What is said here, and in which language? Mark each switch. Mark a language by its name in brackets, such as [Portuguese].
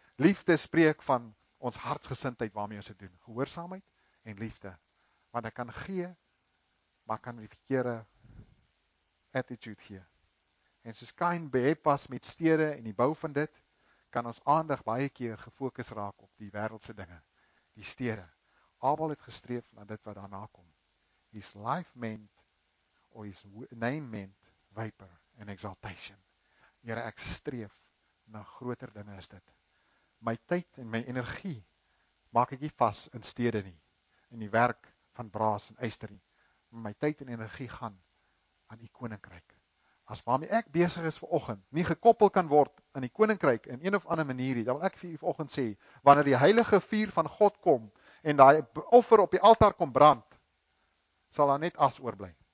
[Afrikaans] Liefde spreek van ons hartsgesindheid waarmee ons dit doen. Gehoorsaamheid en liefde. Want ek kan gee, maar ek kan die verkeerde attitude gee. En soos Kain behep was met stede en die bou van dit, kan ons aandag baie keer gefokus raak op die wêreldse dinge, die stede. Abel het gestreef na dit wat daarna kom. [English] His life meant, or his name meant, vapor and exaltation. [Afrikaans] Here, ek streef na groter dinge as dit. My tyd en my energie maak ek nie vas in stede nie, in die werk van braas en yster nie. My tyd en energie gaan aan die koninkryk. As waarmee ek besig is vanoggend nie gekoppel kan word aan die koninkryk in een of ander manier nie, dan wil ek vir u vanoggend sê, wanneer die heilige vuur van God kom en daai offer op die altaar kom brand, sal daar net as oorbly.